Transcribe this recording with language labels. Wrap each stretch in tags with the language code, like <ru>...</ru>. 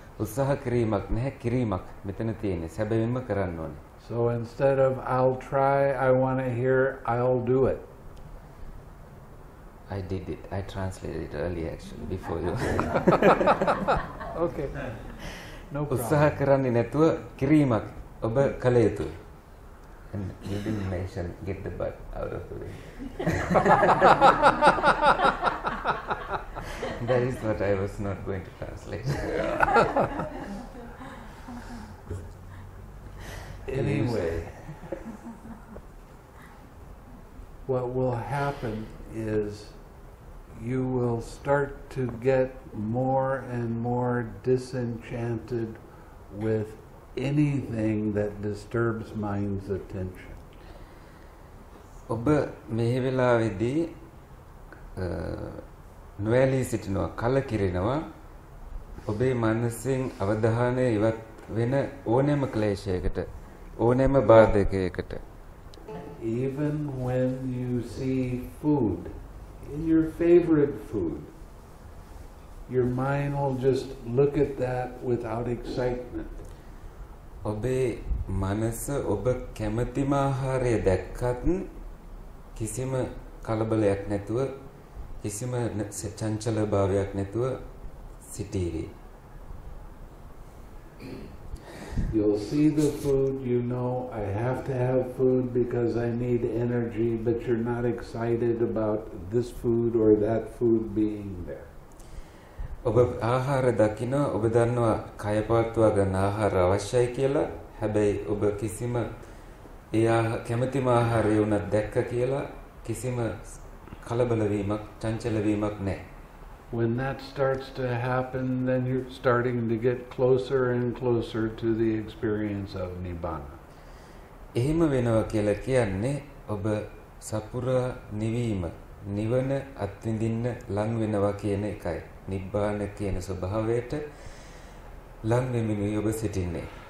<si>උත්සාහ කිරීමක් නැහැ කිරීමක් මෙතන තියෙන්නේ. සැබවින්ම කරන්න ඕනේ.</si> <en>So instead of I'll try, I want to hear I'll do it. I did it. I translated it early actually, before you. Okay. No problem.</en> <si>උත්සාහ කරන්නේ නැතුව කිරීමක් ඔබ කළ යුතුයි.</si> <en>And you didn't mention get the butt out of the way. That is what I was not going to translate. Anyway, what will happen is you will start to get more and more disenchanted with anything that disturbs mind's attention.</en> <si>ඔබ මේ වෙලාවේදී නොවැළී සිටිනවා කලකිරෙනවා ඔබේ මනසින් අවධානය ඉවත් වෙන ඕනෑම ක්ලේශයකට ඕනෑම බාධකයකට.</si> <en>Even when you see food, in your favorite food, your mind will just look at that without excitement.</en> <si>ඔබේ මනස ඔබ කැමතිම ආහාරය දැක්කත් කිසිම කලබලයක් නැතුව කිසිම චංචල භාවයක් නැතුව සිටීවි.</si> <en>You'll see the food, you know, I have to have food because I need energy, but you're not excited about this food or that food being there.</en> <si>ඔබ ආහාර දකින්න ඔබ දන්නවා කය පවත්වා ගන්න ආහාර අවශ්‍යයි කියලා. හැබැයි ඔබ කිසිම කැමැතිම ආහාරය උනත් දැක්ක කියලා කිසිම කලබල වීමක් චංචල වීමක් නැහැ.</si> <en>When that starts to happen, then you're starting to get closer and closer to the experience of Nibbana.</en> <si>එහෙම වෙනවා කියලා කියන්නේ ඔබ සපුරා නිවීම, නිවන අත්විඳින්න ලං වෙනවා කියන එකයි. නිබ්බාන කියන ස්වභාවයට ලං වෙමින් ඔබ සිටින්නේ.</si>